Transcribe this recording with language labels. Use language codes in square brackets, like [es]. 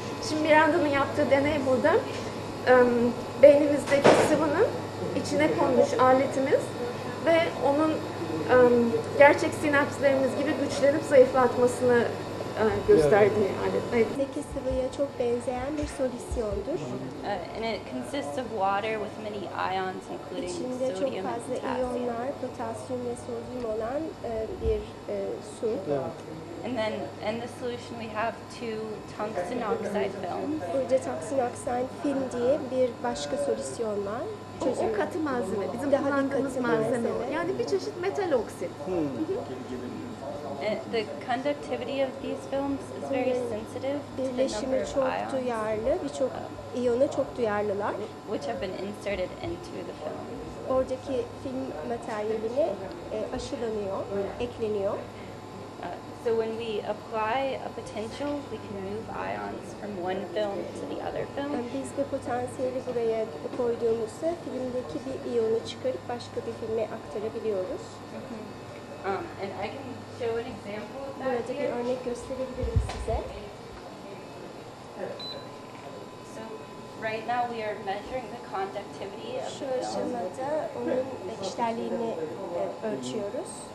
[tr] Şimdi Miranda'nın yaptığı deney burada. Beynimizdeki sıvının içine konmuş aletimiz ve onun gerçek sinapslarımız gibi güçlenip zayıflatmasını gösterdiği alet. Evet. Sıvıya çok benzeyen bir solüsyondur. [en] And it consists of water with many ions including [tr] İçinde [en] sodium [tr] çok fazla [en] and potassium. [tr] İyonlar, potasyum ve sodyum olan bir su. [en] And then in the solution we have two tungsten oxide films. [tr] Burada tungsten oxide film diye bir başka solüsyon var. O katı malzeme. Bizim daha kullandığımız malzeme. Yani bir çeşit metal oksit. [en] The conductivity of these films is very sensitive to the number of [tr] ions. Çok duyarlı, birçok iyona çok duyarlılar. [en] Which have been inserted into the film. [tr] Oradaki film materyaline aşılanıyor, ekleniyor. [en] So when we apply a potential, we can move ions from one film to the other film. [tr] Biz bir potansiyeli buraya koyduğumuzda filmdeki bir iyonu çıkarıp başka bir filme aktarabiliyoruz. [en] And I can show an example of that. [tr] Burada bir örnek gösterebilirim size. [en] So right now we are measuring the conductivity of the film. [tr] Şu aşamada onun içselliğini ölçüyoruz.